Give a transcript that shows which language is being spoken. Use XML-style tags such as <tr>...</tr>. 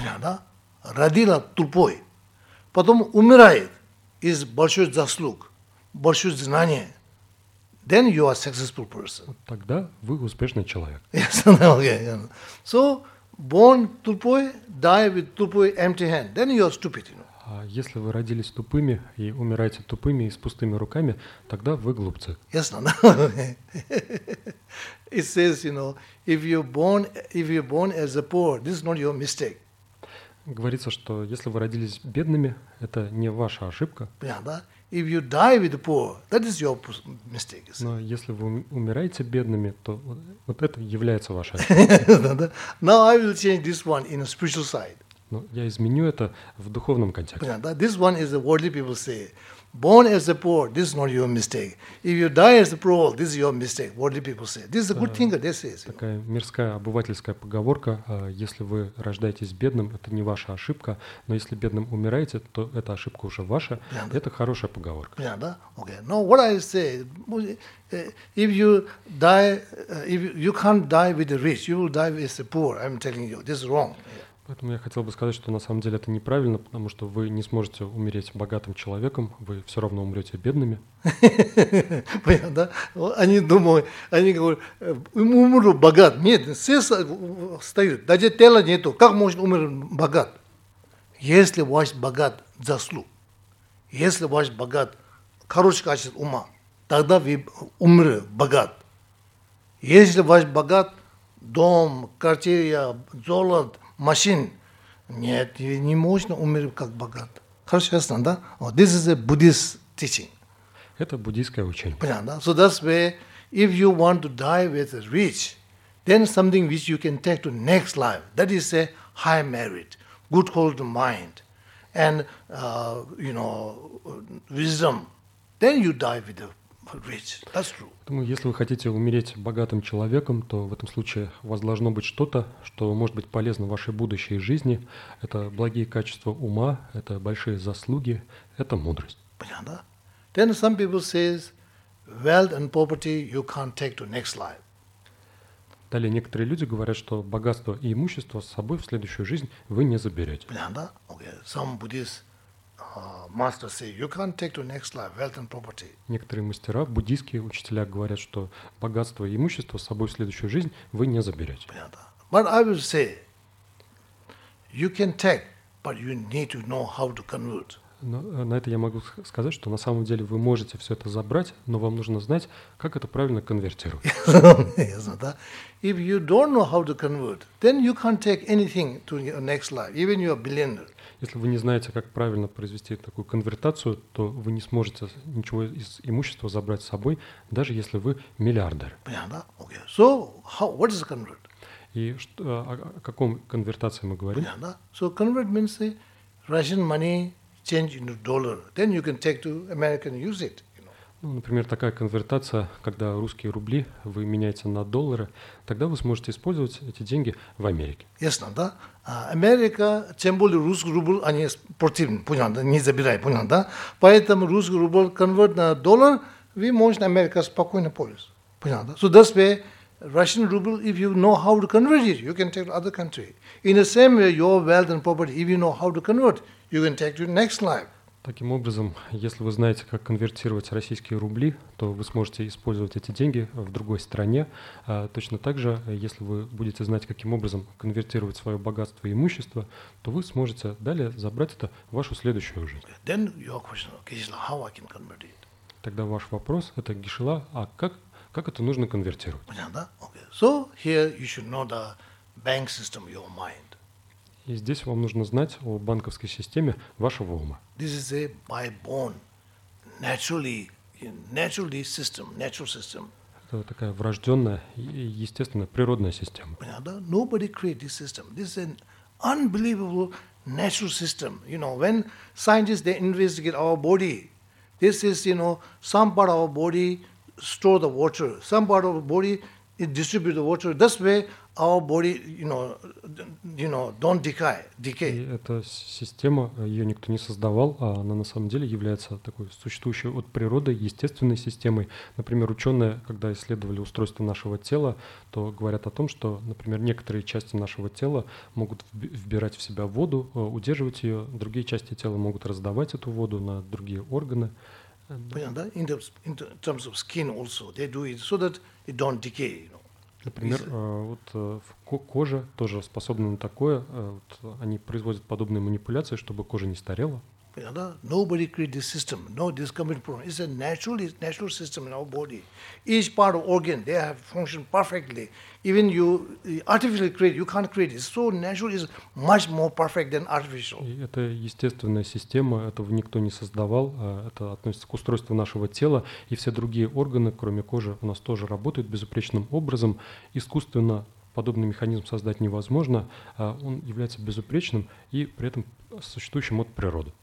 <ru>Понятно, да? Родила тупой, потом умирает из большой заслуг, большое знание,</ru> <en>then you are a successful person.</en> <ru>Вот тогда вы успешный человек.</ru> <en>Yes, okay. So, born тупой, die with тупой empty hand, then you are stupid. You know.</en> <ru>А если вы родились тупыми и умираете тупыми и с пустыми руками, тогда вы глупцы.</ru> <en>Yes, no, no. It says, you know, if you're born as a poor, this is not your mistake.</en> <ru>Говорится, что если вы родились бедными, это не ваша ошибка. Понятно, да?</ru> <en>If you die with the poor, that is your mistake.</en> <ru>Но если вы умираете бедными, то вот это является вашей ошибкой.</ru> <en>Now I will change this one in a spiritual side.</en> <ru>Но я изменю это в духовном контексте. Понятно, да?</ru> <en>This one is the worldly people say. Born as a poor, this is not your mistake. If you die as a poor, this is your mistake. Worldly people say. This is a good thing that they say.</en> <ru>Такая мирская обывательская поговорка: если вы рождаетесь бедным, это не ваша ошибка, но если бедным умираете, то эта ошибка уже ваша. Yeah, это хорошая поговорка. Понятно, yeah, да? Okay.</ru> <en>No, what I say, if you die, if you can't die with the rich, you will die as a poor. I'm telling you, this is wrong. Yeah.</en> <ru>Поэтому я хотел бы сказать, что на самом деле это неправильно, потому что вы не сможете умереть богатым человеком, вы все равно умрете бедными. Понятно, да? Они думают, они говорят, умру богат. Нет, все встают, даже тела нету. Как можно умереть богат? Если ваш богат заслуг, если ваш богат хороший качество ума, тогда вы умрете богат. Если ваш богат дом, квартира, золото, машин. Нет, не можно умереть как богат. Хорошо, ясно, да?</ru> <en>Oh, this is a Buddhist teaching.</en> <ru>Это буддийское учение. Понятно, да?</ru> <en>So that's where, if you want to die with rich, then something which you can take to next life, that is a high merit, good quality mind, and, you know, wisdom, then you die with the rich. That's true.</en> <ru>Если вы хотите умереть богатым человеком, то в этом случае у вас должно быть что-то, что может быть полезно в вашей будущей жизни. Это благие качества ума, это большие заслуги, это мудрость. Понятно?</ru> <en>Then some people say, wealth and poverty you can't take to next life.</en> <ru>Далее некоторые люди говорят, что богатство и имущество с собой в следующую жизнь вы не заберете. Понятно? Okay.</ru> <en>Some Buddhists master say you can't take to next life wealth and property.</en> <ru>Некоторые мастера, буддийские учителя говорят, что богатство и имущество с собой в следующую жизнь вы не заберете. Понятно.</ru> <en>But I will say you can take, but you need to know how to convert.</en> <ru>Но на это я могу сказать, что на самом деле вы можете все это забрать, но вам нужно знать, как это правильно конвертировать.</ru> <en>If you don't know how to convert, then you can't take anything to your next life, even you are a billionaire.</en> <ru>Если вы не знаете, как правильно произвести такую конвертацию, то вы не сможете ничего из имущества забрать с собой, даже если вы миллиардер. Понятно?</ru> <en>Okay. So, how, what is convert?</en> <ru>И что, о каком конвертации мы говорим? Понятно?</ru> <en>So, convert means the Russian money change into dollar. Then you can take to America and use it.</en> <ru>Ну, например, такая конвертация, когда русские рубли вы меняете на доллары, тогда вы сможете использовать эти деньги в Америке. Ясно, да? Америка, тем более русский рубль, они противны, понял, да? Не забирай, понял, да? Поэтому русский рубль конверт на доллар, вы можете Америка спокойно пользоваться, понял, да?</ru> <en>So that's why Russian ruble, if you know how to convert it, you can take to other country. In the same way, your wealth and property, if you know how to convert, you can take to your next life.</en> <ru>Таким образом, если вы знаете, как конвертировать российские рубли, то вы сможете использовать эти деньги в другой стране. Точно так же, если вы будете знать, каким образом конвертировать свое богатство и имущество, то вы сможете далее забрать это в вашу следующую жизнь.</ru> <en>Then your question, Кришна, how I can convert it?</en> <ru>Тогда ваш вопрос, это Кришна, а как это нужно конвертировать? Понятно, да? Okay.</ru> <en>So here you should know the bank system of your mind.</en> <ru>И здесь вам нужно знать о банковской системе вашего ума.</ru> <en>This is a by born, naturally system, natural system.</en> <ru>Это такая врожденная, естественная, природная система. Понятно?</ru> <en>Nobody created this system. This is an unbelievable natural system. You know, when scientists they investigate our body, this is, you know, some part of our body store the water, some part of our body it distribute the water. That's why our body, you know, don't decay.</en> <ru>Эта система, ее никто не создавал, а она на самом деле является такой существующей от природы, естественной системой. Например, ученые, когда исследовали устройство нашего тела, то говорят о том, что, например, некоторые части нашего тела могут вбирать в себя воду, удерживать ее, другие части тела могут раздавать эту воду на другие органы. Понятно?</ru> <en>In terms of skin also, they do it so that it don't decay, you know.</en> <ru>Например, вот кожа тоже способна на такое. Вот они производят подобные манипуляции, чтобы кожа не старела. Понятно?</ru> <en>Nobody created this system. No, this coming from. It's a natural system in our body. Each part of organ, they have functioned perfectly. Even you artificially create, you can't create it. So natural is much more perfect than artificial.</en> <ru>И это естественная система, этого никто не создавал. Это относится к устройству нашего тела. И все другие органы, кроме кожи, у нас тоже работают безупречным образом. Искусственно подобный механизм создать невозможно. Он является безупречным и при этом существующим от природы.</ru>